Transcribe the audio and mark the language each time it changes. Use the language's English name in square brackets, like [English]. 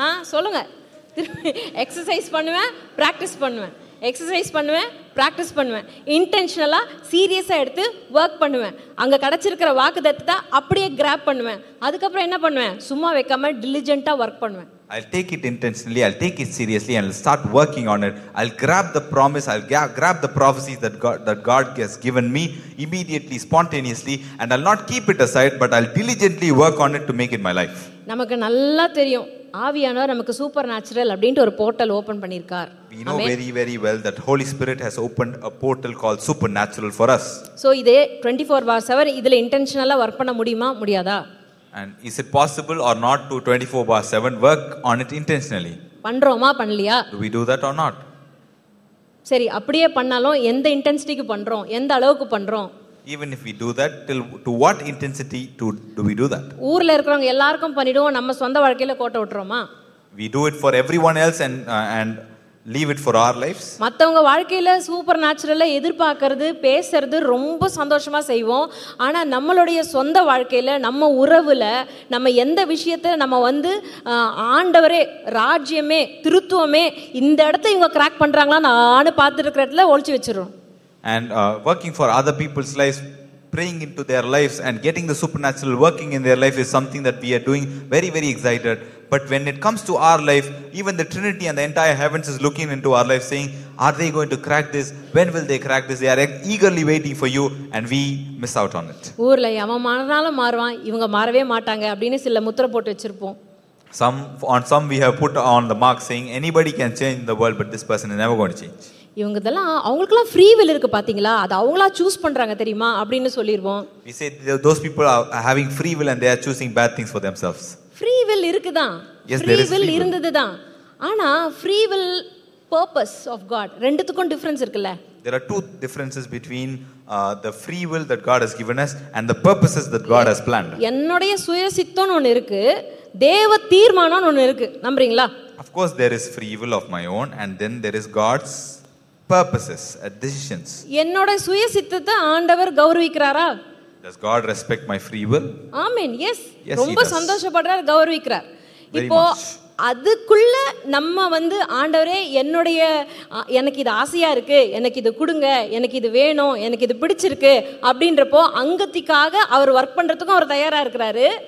[Tamil] சொல்லுங்க, எக்ஸசைஸ் பண்ணுவேன், ப்ராக்டிஸ் பண்ணுவேன், எக்ஸசைஸ் பண்ணுவேன், ப்ராக்டிஸ் பண்ணுவேன், இன்டென்ஷனலாக சீரியஸாக எடுத்து ஒர்க் பண்ணுவேன். அங்கே கிடச்சிருக்கிற வாக்கு தத்துவத்தை அப்படியே கிராப் பண்ணுவேன். அதுக்கப்புறம் என்ன பண்ணுவேன், சும்மா வைக்காமல் டிலிஜென்ட்டாக ஒர்க் பண்ணுவேன். [English] I'll take it intentionally, I'll take it seriously, and I'll start working on it. I'll grab the promise, I'll grab the prophecies that God has given me immediately, spontaneously, and I'll not keep it aside, but I'll diligently work on it to make it my life. [Tamil] நமக்கு நல்லா தெரியும் ஆவியானவர் நமக்கு super natural அப்படின்ட்டு ஒரு portal open பண்ணியிருக்கார். [English] We know very, very well that Holy Spirit has opened a portal called supernatural for us. [Tamil] So, இதே 24/7 இதில் இன்டென்ஷனலாக ஒர்க் பண்ண முடியுமா முடியாதா? [English] And is it possible or not to 24/7 work on it intentionally? [Tamil] பண்றோமா பண்ணலையா? [English] Do we do that or not? [Tamil] சரி, அப்படியே பண்ணாலும் எந்த இன்டென்சிட்டிக்கு பண்றோம், எந்த அளவுக்கு பண்றோம்? [English] Even if we do that, to what intensity do we do that? [Tamil] ஊர்ல இருக்கறவங்க எல்லாருக்கும் பண்ணிடுவோம், நம்ம சொந்த வாழ்க்கையில கோட்டை விட்டுறோமா? [English] We do it for everyone else and leave it for our lives. [Tamil] மத்தவங்க வாழ்க்கையில சூப்பர்நேச்சுரலா எதிர்பார்க்கிறது பேசுறது ரொம்ப சந்தோஷமா செய்வோம், ஆனா நம்மளுடைய சொந்த வாழ்க்கையில நம்ம உறவுல நம்ம எந்த விஷயத்தை நம்ம வந்து ஆண்டவரே ராஜ்யமே திருத்துவமே இந்த இடத்த இவங்க கிராக் பண்றாங்களா நானு பாத்துட்டு இருக்கிற இடத்துல ஒளிச்சு வச்சிருவோம். [English] And working for other people's lives, praying into their lives and getting the supernatural working in their life is something that we are doing very, very excited. But when it comes to our life, even the Trinity and the entire heavens is looking into our life saying, are they going to crack this? When will they crack this? They are eagerly waiting for you and we miss out on it. Some we have put on the mark saying, anybody can change the world but this person is never going to change. [Tamil] இவங்க இதெல்லாம் அவங்களுக்குலாம் free will இருக்கு பாத்தீங்களா, அது அவங்களா choose பண்றாங்க தெரியுமா அப்படின்னு சொல்லிருவோம். [English] We say those people are having free will and they are choosing bad things for themselves. [Tamil] Free will இருக்குதான், yes, free will இருந்ததுதான், ஆனா [English] free will purpose of God [Tamil] ரெண்டுத்துக்கும் டிஃபரன்ஸ் இருக்குல்ல. [English] There are two differences between the free will that God has given us and the purposes that God has planned. [Tamil] என்னோட சுய சித்தம்னு ஒன்னு இருக்கு, தேவ தீர்மானம்னு ஒன்னு இருக்கு, நம்புறீங்களா? [English] Of course there is free will of my own and then there is God's purposes and decisions. [Tamil] என்னோட சுய சித்தத்தை ஆண்டவர் கௌரவிக்கறாரா? [English] Does God respect my free will? Amen. Yes. Yes, [Tamil] ரொம்ப சந்தோஷப்படுறார், கௌரவிக்கறார். இப்போ அதுக்குள்ள நம்ம வந்து ஆண்டவரே என்னுடைய எனக்கு இது ஆசையா இருக்கு, எனக்கு இது கொடுங்க, எனக்கு இது வேணும், எனக்கு இது பிடிச்சிருக்கு அப்படின்றப்போ அங்கத்திற்காக அவர் வர்க் பண்றதுக்கும் அவர் தயாரா இருக்கிறாரு.